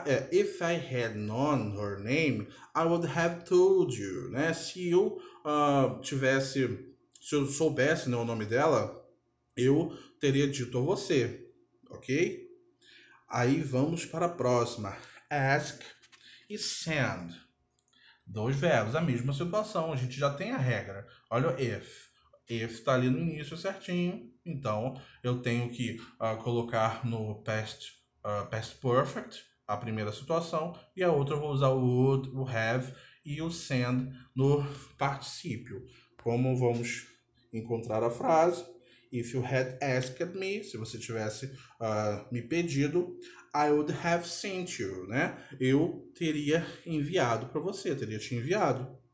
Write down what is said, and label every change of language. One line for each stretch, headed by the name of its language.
English: If I had known her name, I would have told you, né?
Portuguese: Se eu tivesse, se eu soubesse, né, o nome dela, eu teria dito a você. Ok? Aí vamos para a próxima. Ask e send. Dois verbos, a mesma situação. A gente já tem a regra. Olha o if. If está ali no início certinho. Então, eu tenho que colocar no past perfect a primeira situação. E a outra eu vou usar o would, o have e o send no particípio. Como vamos encontrar a frase?
English: If you had asked me,
Portuguese: se você tivesse me pedido,
English: I would have sent you, né?
Portuguese: Eu teria enviado para você, teria te enviado.